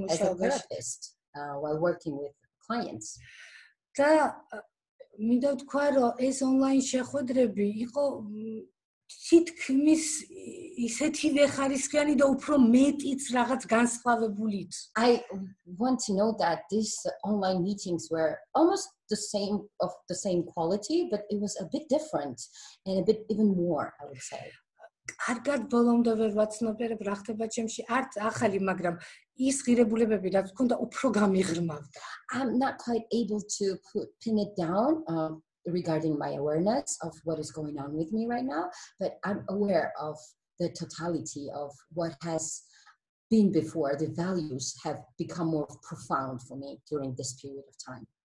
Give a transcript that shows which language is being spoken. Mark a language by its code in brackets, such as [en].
[ka] მუშაობაში. [en] While working with clients. [ka] Და მინდა ვთქვა რომ ეს ონლაინ შეხვედრები იყო თითქმის ისეთივე ხარისხიანი და უფრო მეტიც რაღაც განსხვავებულით. [en] I want to know that these online meetings were almost the same quality, but it was a bit different and a bit even more, I would say. [ka] კარგად ბოლომდე ვერ ვაცნობიერებ რა ხდება ჩემში არც ახალი, მაგრამ ის ღირებულებები რაც ქონდა უფრო გამიღრმავდა. [en] I'm not quite able to pin it down regarding my awareness of what is going on with me right now, but I'm aware of the totality of what has been before. The values have become more profound for me during this period of time.